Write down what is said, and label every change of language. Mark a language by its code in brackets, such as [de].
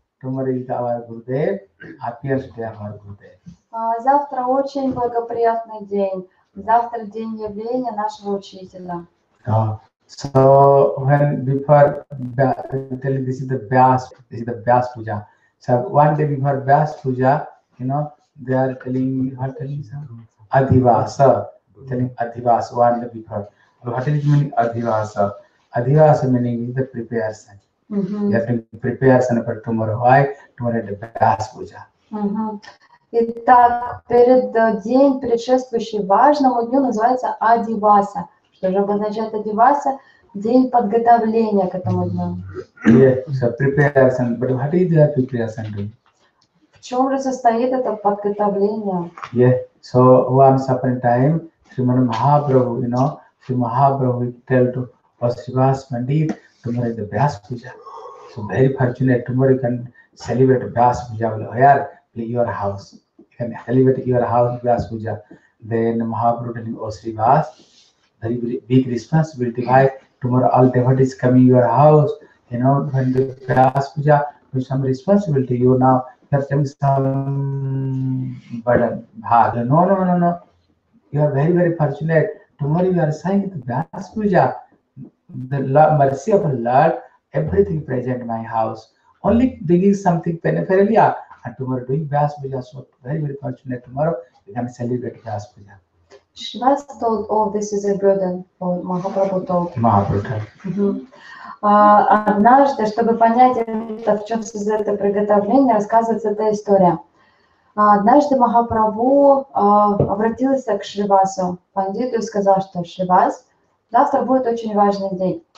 [en] Tomorrow is our Gurudev, appears to be our Gurudev. [ru] Завтра очень благоприятный день. Завтра день явления нашего учителя. [en] So, when before, this is the Vyas, this is the Vyas Puja. So, one day before Vyas Puja, you know, they are telling me, what are telling me? Adhivasa. Telling Adhivasa, one day before. What is meaning Adhivasa? Adhivasa meaning the preparation. Mm-hmm. You have to prepare sana for tomorrow. Why? Tomorrow the Vyas Puja. [ru] Итак, перед день, предшествующий важному дню, называется Адиваса. Что же обозначает Адиваса? День подготовления к этому дню. [en] Yes, preparation. But what is that preparation? [ru] В чем же состоит это подготовление? [en] Yes, so once upon a time, Srimad Mahaprabhu, you know, Srimad Mahaprabhu tell to Vasivas Pandit, tomorrow is the Vyas Puja. So very fortunate, tomorrow you can celebrate Vyas Puja. Your house, you can elevate your house, Vyas Puja. Then Mahaprabhu telling, O Srivas, very big responsibility. Why? Tomorrow all devotees coming to your house, you know, when the Vyas Puja, with some responsibility, you now have some burden. No, you are very, very fortunate. Tomorrow we are saying the Vyas Puja, the mercy of the Lord, everything present in my house. Only bringing something peripherally, and tomorrow doing Vyas Puja. So very, very fortunate tomorrow we can celebrate Vyas Puja. Shivas told, oh, this is a burden, oh, Mahaprabhu told. Mahaprabhu. [ru] Однажды, чтобы понять, это, в чем все это приготовление, рассказывается эта история. Однажды Махапрабху обратился к Шривасу, пандиту, и сказал, что Шривас, завтра будет очень важный день.